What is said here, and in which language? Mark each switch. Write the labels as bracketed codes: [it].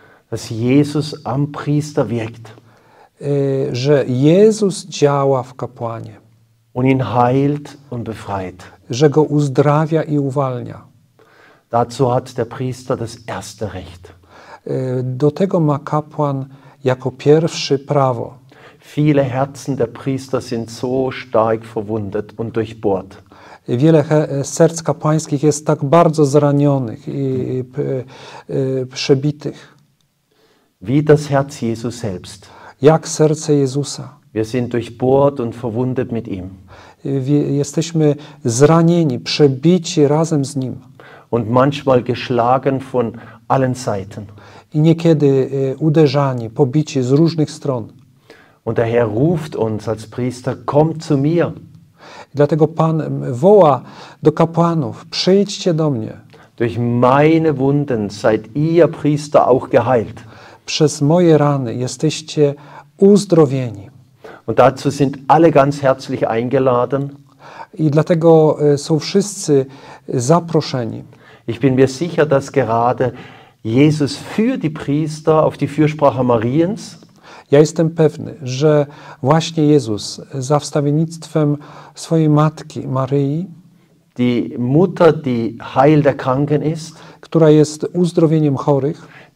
[de] Dass Jesus am Priester wirkt. [pl] Że Jezus działa w kapłanie. [de] Und ihn heilt und befreit. [pl] Że go uzdrawia i uwalnia. [de] Dazu hat der Priester das erste Recht. [pl] Do tego ma kapłan jako pierwszy prawo. [de] Viele Herzen der Priester sind so stark verwundet und durchbohrt. [pl] Wiele serc kapłańskich jest tak bardzo zranionych i przebitych. [de] Wie das Herz Jesu selbst. [pl] Jak serce Jezusa. [de] Wir sind durchbohrt und verwundet mit ihm. [pl] Jesteśmy zranieni, przebici razem z nim. [de] Und manchmal geschlagen von allen Seiten. [pl] I niekiedy uderzani, pobici z różnych stron. [de] Und der Herr ruft uns als Priester, komm zu mir. [pl] Dlatego Pan woła do kapłanów, przyjdźcie do mnie. [de] Durch meine Wunden seid ihr Priester auch geheilt. [pl] Przez moje rany jesteście uzdrowieni. [de] Und dazu sind alle ganz herzlich eingeladen. [pl] I dlatego są wszyscy zaproszeni. [de] Ich bin mir sicher, dass gerade Jesus für die Priester auf die Fürsprache Mariens. [pl] Ja jestem pewny, że właśnie Jezus za wstawiennictwem swojej matki Maryi, [de] die Mutter, die Heil der Kranken ist, [pl] która jest uzdrowieniem chorych,